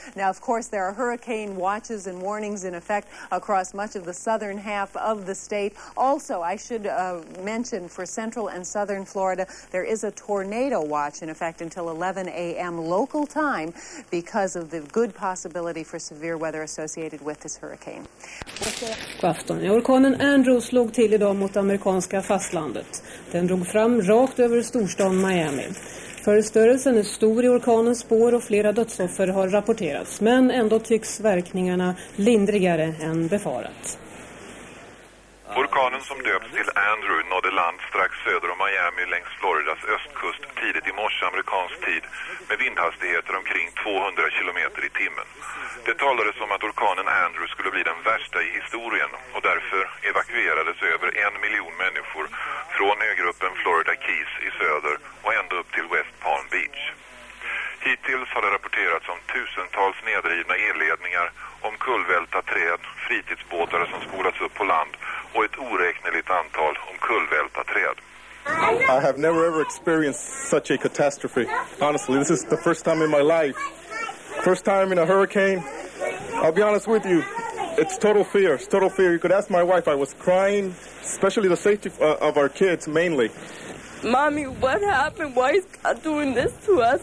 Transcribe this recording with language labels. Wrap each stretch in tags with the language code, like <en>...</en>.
<en>Now, of course, there are hurricane watches and warnings in effect across much of the southern half of the state. Also, I should mention for central and southern Florida, there is a tornado watch in effect until 11 a.m. local time because of the good possibility for severe weather associated with this hurricane.</en> <sv>God afton. Orkanen Andrew slog till idag mot amerikanska fastlandet. Den drog fram rakt över storstaden Miami. Förstörelsen är stor i orkanens spår och flera dödsoffer har rapporterats, men ändå tycks verkningarna lindrigare än befarat. Orkanen som döpt till Andrew nådde land strax söder om Miami längs Floridas östkust tidigt i morse amerikansk tid med vindhastigheter omkring 200 km i timmen. Det talades om att orkanen Andrew skulle bli den värsta i historien och därför evakuerades över 1 miljon människor från ögruppen Florida Keys i söder och ända upp till West Palm Beach. Hittills har det rapporterats om tusentals nedrivna elledningar, om kullvälta träd, fritidsbåtar som spolats upp på land och ett oräkneligt antal om kullvälta träd.</sv> <en>I have never ever experienced such a catastrophe. Honestly, this is the first time in my life. First time in a hurricane. I'll be honest with you. It's total fear. It's total fear. You could ask my wife. I was crying, especially the safety of our kids mainly. Mommy, what happened? Why is God doing this to us?</en>